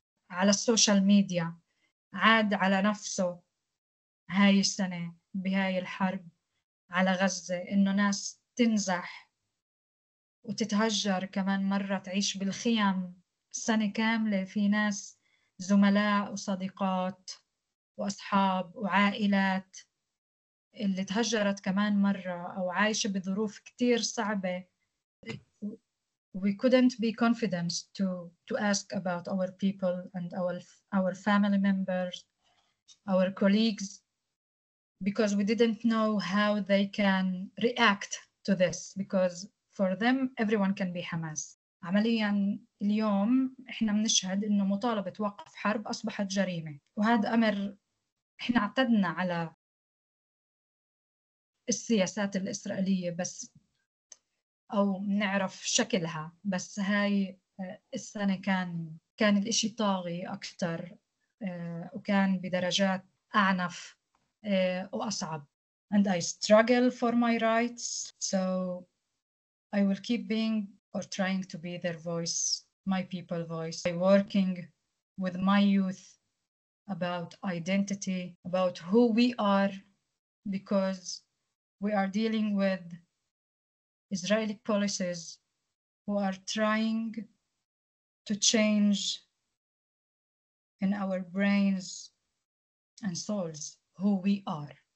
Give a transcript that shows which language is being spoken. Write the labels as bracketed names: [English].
[Arabic] على السوشيال ميديا، عاد على نفسه هاي السنة بهاي الحرب على غزة إنه ناس تنزح وتتهجر، كمان مرة تعيش بالخيام سنة كاملة، في ناس زملاء وصديقات وأصحاب وعائلات اللي تهجرت كمان مرة أو عايشة بظروف كتير صعبة. [English] We couldn't be confident to ask about our people and our family members, our colleagues, because we didn't know how they can react to this, because for them everyone can be Hamas. [Arabic] عمليا اليوم احنا بنشهد انه مطالبة وقف حرب اصبحت جريمة، وهذا امر احنا اعتدنا على السياسات الاسرائيلية بس او نعرف شكلها، بس هاي السنة كان الاشي طاغي اكتر وكان بدرجات اعنف واصعب. [English] And I struggle for my rights, so I will keep being or trying to be their voice, my people voice, by working with my youth about identity, about who we are, because we are dealing with Israeli policies who are trying to change in our brains and souls who we are.